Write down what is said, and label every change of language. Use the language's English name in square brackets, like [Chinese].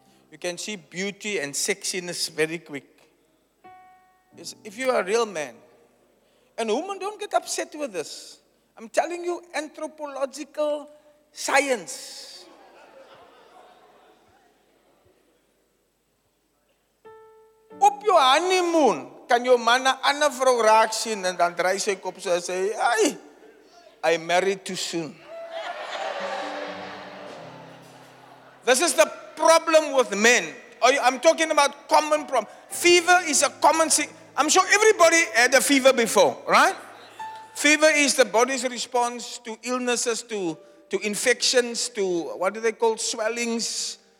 [English] You can see beauty and sexiness very quick. It's if you are a real man. And women, don't get upset with this. I'm telling you, anthropological science. [Afrikaans] Op your honeymoon, kan your man aan een vrouw raak zien en dan draai sy kop so en sê, "Ai, [English] I married too soon." This is the problem with men. I'm talking about common problem. Fever is a common thing. I'm sure everybody had a fever before, right? Fever is the body's response to illnesses, to infections, to what do they call swellings.